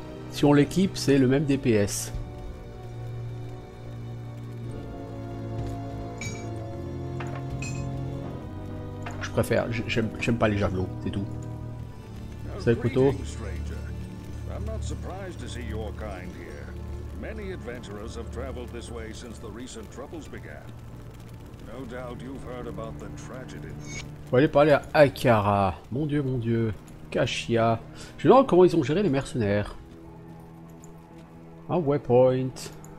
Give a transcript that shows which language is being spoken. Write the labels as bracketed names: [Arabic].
[French] Si on l'équipe, c'est le même DPS. Je préfère, j'aime pas les javelots, c'est tout. Salut Koto. [English] I'm not surprised to see your kind here. Many adventurers have traveled this way since the recent troubles began. No doubt you've heard about the tragedy. [French] Faut aller parler à Akara. Mon dieu, Kashia. Je me demande comment ils ont géré les mercenaires. Un waypoint.